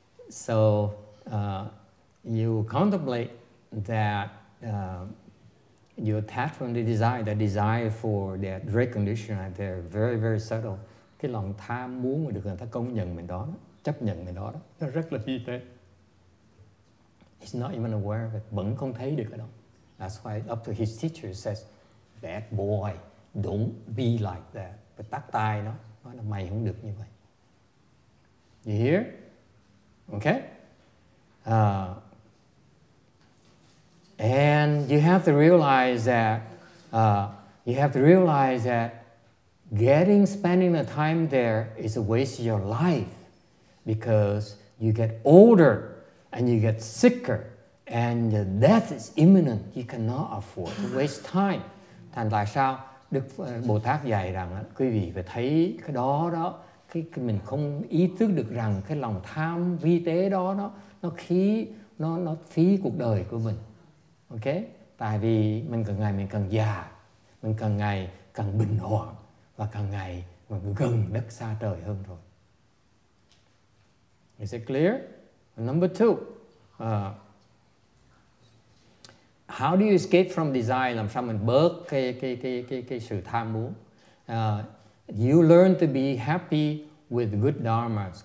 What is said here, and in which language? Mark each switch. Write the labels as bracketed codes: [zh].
[en] So you contemplate that your attachment to desire, the desire for that recognition right there, very, very subtle. [vi] Cái lòng tham muốn mà được người ta công nhận mình đó, chấp nhận mình đó, nó rất là phi tế. [en] He's not even aware of it, [vi] vẫn không thấy được cái đó. [en] That's why up to his teacher says, bad boy, don't be like that. [vi] Và tắt tai nó, nói là mày không được như vậy. [en] You hear? Okay? And you have to realize that getting spending the time there is a waste of your life, because you get older and you get sicker and your death is imminent. You cannot afford to waste time. [vi] Thành tại sao Đức Bồ Tát dạy rằng quý vị phải thấy cái đó đó, cái mình không ý thức được rằng cái lòng tham vi tế đó đó, nó phí cuộc đời của mình. Ok, tại vì mình càng ngày mình càng già, mình càng ngày càng bình hoạn và càng ngày mình gần đất xa trời hơn rồi. [en] Is it clear? Number two, how do you escape from desire? [vi] Làm sao mình bớt cái sự tham muốn? [en] You learn to be happy with good dharmas.